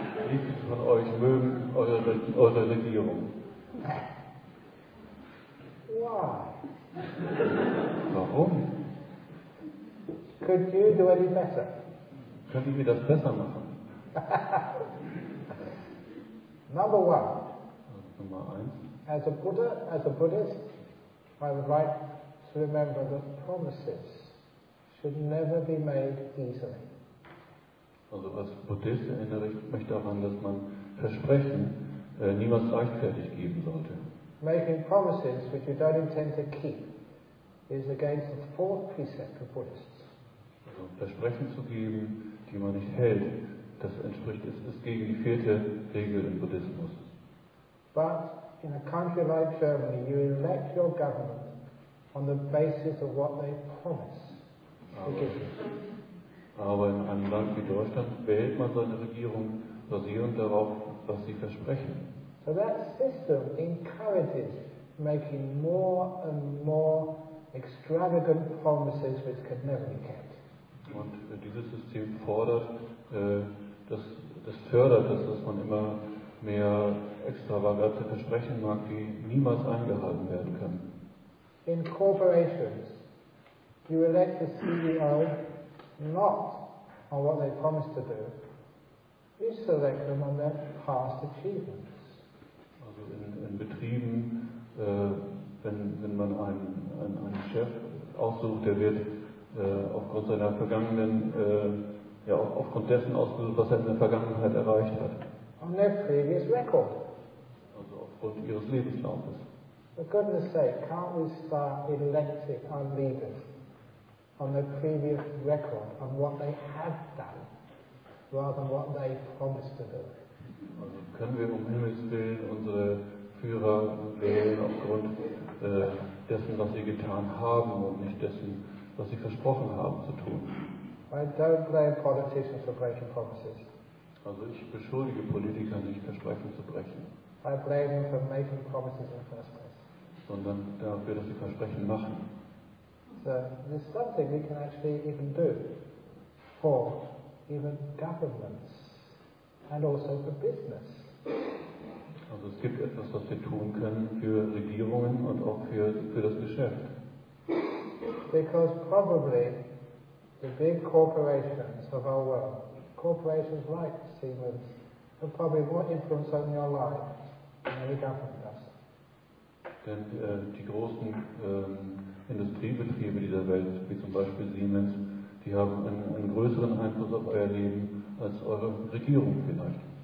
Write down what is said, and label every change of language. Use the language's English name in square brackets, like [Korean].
[German] Wie viele von euch mögen eure Regierung? [English] Why? [German] Warum? [English] Could you do any better? [German] Könnt ihr mir das besser machen? [English] Number one. [German] Nummer eins. [English] As a Buddha, as a Buddhist, I would like to remember that promises should never be made easily. [German] Also als Buddhist erinnere ich mich daran, dass man Versprechen niemals leichtfertig geben sollte. [English] Making promises which you don't intend to keep is against the fourth precept of Buddhists. [German] Also Versprechen zu geben, die man nicht hält, das entspricht, ist gegen die vierte Regel im Buddhismus. [English] But in a country like Germany, you elect your government on the basis of what they promise to give you. [German] Aber in einem Land wie Deutschland wählt man seine Regierung basierend darauf, was sie versprechen. [English] So that system encourages making more and more extravagant promises which could never be kept. [German] Und dieses System fordert, das fördert das, dass man immer mehr extravagante Versprechen macht, die niemals eingehalten werden können. [English] In corporations, you elect the CEO not on what they promised to do, you select them on their past achievements. [German] Also in Betrieben, wenn man einen Chef aussucht, der wird aufgrund seiner vergangenen, aufgrund dessen ausgesucht, was er in der Vergangenheit erreicht hat. [English] On their previous record. [German] Also aufgrund ihres Lebenslaufes. [English] For goodness sake, can't we start electing our leaders on their previous record, on what they have done, rather than what they promised to do. [German] Also können wir um Himmels Willen unsere Führer wählen aufgrund dessen, was sie getan haben und nicht dessen, was sie versprochen haben zu tun. [English] I don't blame politicians for breaking promises. [German] Also ich beschuldige Politiker nicht, Versprechen zu brechen. [English] I blame them for making promises in the first place. [German] Sondern dafür, dass sie Versprechen machen. [English] So there's something we can actually even do for even governments and also for business. [German] Also es gibt etwas, was wir tun können für Regierungen und auch für das Geschäft. [English] Because probably the big corporations of our world, corporations like Siemens, have probably more influence on your life than any government does. [German] Denn die großen Industriebetriebe dieser Welt, wie zum Beispiel Siemens, die haben einen größeren Einfluss auf euer Leben als eure Regierung vielleicht.